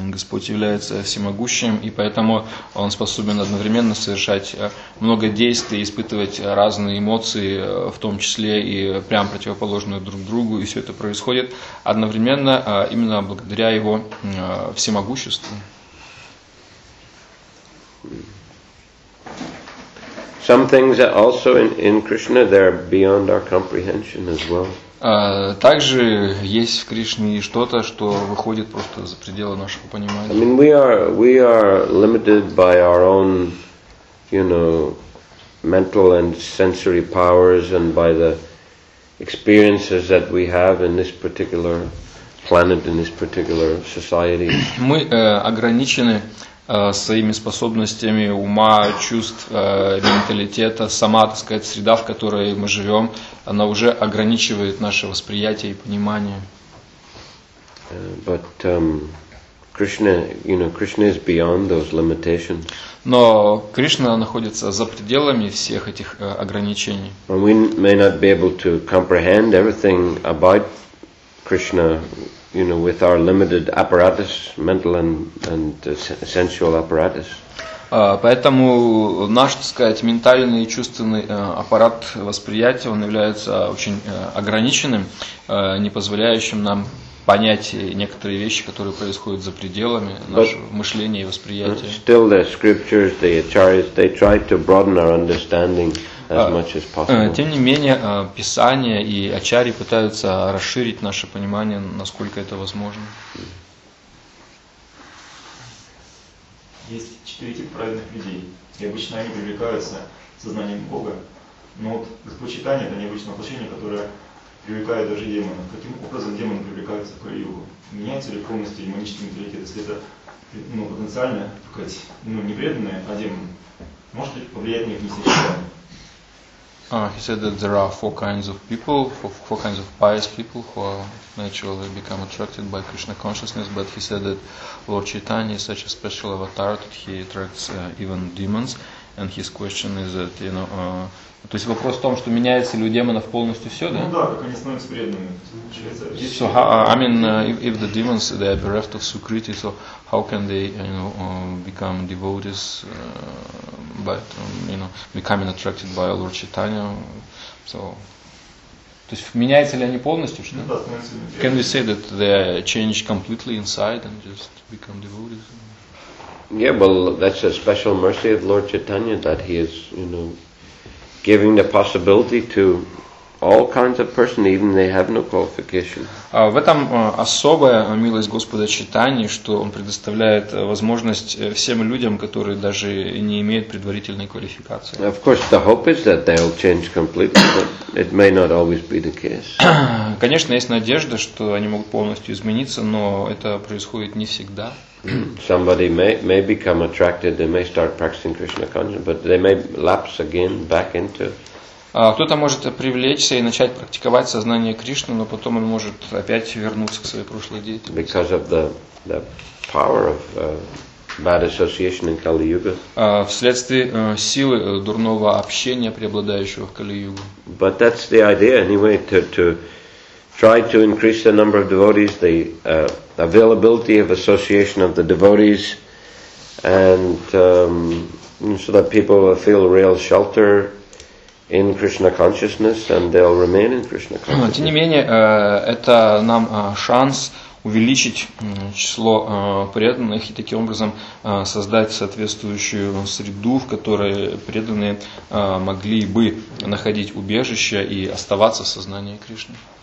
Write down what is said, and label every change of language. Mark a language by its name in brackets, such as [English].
[Russian] Господь является всемогущим, и поэтому Он способен одновременно совершать много действий, испытывать разные эмоции, в том числе и прям противоположные друг другу, и все это происходит одновременно именно благодаря Его всемогуществу. [English] Some things also in Krishna, they're beyond our comprehension as well. [Russian] Также есть в Кришне что-то, что выходит просто за пределы нашего понимания. [English] I mean, we are limited by our own, you know, mental and sensory powers and by the experiences that we have in this particular planet, in this particular society. [Russian] Мы ограничены своими способностями ума, чувств, менталитета, сама, так сказать, среда, в которой мы живем, она уже ограничивает наше восприятие и понимание. [English] But Krishna, you know, Krishna is beyond those limitations. [Russian] Но Кришна находится за пределами всех этих ограничений. [English] And we may not be able to comprehend everything about Krishna, you know, with our limited apparatus, mental and sensual apparatus. [Russian] Поэтому наш, так сказать, ментальный и чувственный аппарат восприятия, он является очень ограниченным, не позволяющим нам понять некоторые вещи, которые происходят за пределами нашего мышления и восприятия. [English] Still the scriptures, the acharyas, they try to broaden our understanding as much as possible. [Russian] Тем не менее, писания и ачари пытаются расширить наше понимание, насколько это возможно. Есть четыре типа праведных людей, и обычно они привлекаются сознанием Бога. Но вот Господь Чайтанья — это необычное воплощение, которое привлекает даже демонов. Каким образом демоны привлекаются в Кали-югу? Меняется ли полностью демоничный менталитет, если это, ну, потенциально, так сказать, ну, не преданные, а демоны? Может ли повлиять на них несение Чайтанья? [English] He said that there are four kinds of people, four kinds of pious people who are naturally become attracted by Krishna consciousness, but he said that Lord Chaitanya is such a special avatar that he attracts even demons, and his question is that, you know, [Russian] то есть вопрос в том, что меняется ли у демонов полностью все, да? Ну да, как они становятся преданными. [English] So how, I mean, if the demons, they are bereft of Sukriti, so how can they, you know, become devotees, but, you know, becoming attracted by Lord Chaitanya? So, [Russian] то есть меняются ли они полностью, что? Ну да, становятся. [English] Can we say that they change completely inside and just become devotees? Yeah, well, that's a special mercy of Lord Chaitanya that he is, you know, giving the possibility to all kinds of person, even they have no qualification. [Russian] В этом особая милость Господа Чайтаньи, что Он предоставляет возможность всем людям, которые даже не имеют предварительной квалификации. [English] Of course, the hope is that they'll change completely, but it may not always be the case. [Russian] Конечно, есть надежда, что они могут полностью измениться, но это происходит не всегда. [English] Somebody may become attracted, they may start practicing Krishna consciousness, but they may lapse again back into. [Russian] Кто-то может привлечься и начать практиковать сознание Кришны, но потом он может опять вернуться к своей прошлой деятельности. [English] Because of the power of bad association in Kali Yuga. [Russian] Вследствие силы дурного общения, преобладающего в Кали Юге. [English] But that's the idea anyway, to try to increase the number of devotees, the availability of association of the devotees, and so that people will feel real shelter in Krishna consciousness, and they'll remain in Krishna consciousness. [Russian] Тем не менее, это нам шанс увеличить число преданных и таким образом создать соответствующую среду, в которой преданные могли бы находить убежище и оставаться в сознании Кришны.